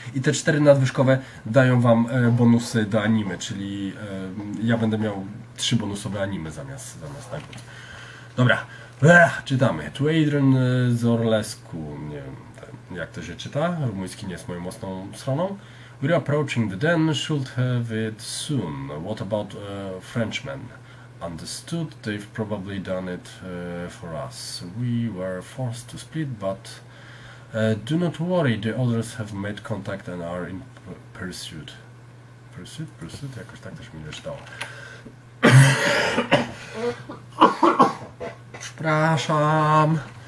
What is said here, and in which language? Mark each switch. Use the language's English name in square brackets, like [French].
[Polish] I te 4 nadwyżkowe dają wam bonusy do anime, czyli ja będę miał 3 bonusowe anime zamiast nagród. Dobra, czytamy. To Adrian z Orlesku, nie wiem. Jak to się czyta? Rumuński nie jest moją mocną stroną. [English] We're approaching the den, should have it soon. What about Frenchmen? Understood, they've probably done it for us. We were forced to split, but do not worry, the others have made contact and are in pursuit. Pursuit? Pursuit? [Polish] Jakoś tak też mi nie czytało. Przepraszam.